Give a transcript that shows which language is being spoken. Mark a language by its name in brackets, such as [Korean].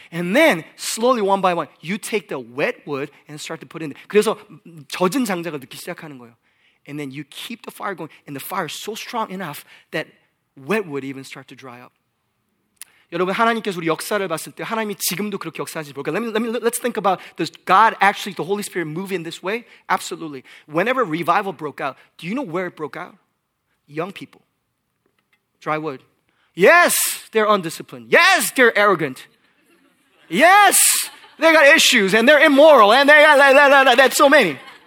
[English] And then, slowly, one by one, you take the wet wood and start to put in there. [Korean] 그래서 젖은 장작을 넣기 시작하는 거예요. [English] And then you keep the fire going, and the fire is so strong enough that wet wood even start to dry up. [Korean] 여러분, 하나님께서 우리 역사를 봤을 때 하나님이 지금도 그렇게 역사하시는지 볼까요? [English] Let's think about, does God actually, the Holy Spirit move in this way? Absolutely. Whenever revival broke out, do you know where it broke out? Young people. Dry wood. Yes, they're undisciplined. Yes, they're arrogant. Yes, they got issues, and they're immoral, and they got that's so many.